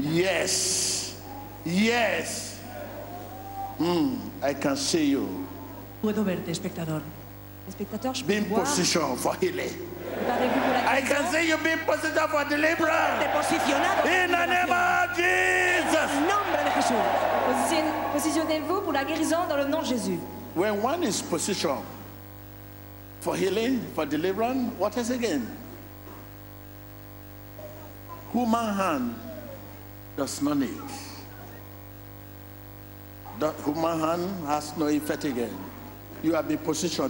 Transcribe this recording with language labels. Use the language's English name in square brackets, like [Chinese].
[English] Yes. Yes. I can see you. [Spanish] Puedo verte, espectador. Espectador, [English] be in position for healing. Yeah. I can see you being positioned for deliverance. [Spanish] Posicionado. [English] In the name of Jesus. [Spanish] En el nombre de Jesús. [French] Positionnez-vous pour la guérison dans le nom de Jésus. [English] When one is positioned for healing, for deliverance, what is again? Human hand does not need. That human hand has no effect again. You have been positioned.